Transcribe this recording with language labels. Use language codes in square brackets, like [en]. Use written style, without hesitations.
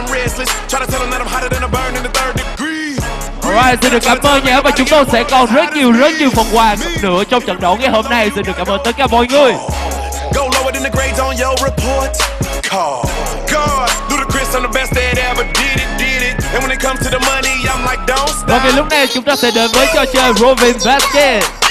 [en] I'm restless, try to tell them that I'm hotter than a burn in the third degree. [vi] Alright, xin được cảm ơn nhé, và chúng tôi sẽ còn rất nhiều phần quà nữa trong trận đấu ngày hôm nay. Xin được cảm ơn tất cả mọi người. [en] Go lower than the grades on your report card. God, ludicrous, I'm the best that ever did it, did it. And when it comes to the money, I'm like, don't stop. [vi] Và ngày lúc này chúng ta sẽ đến với trò chơi Roving Basket.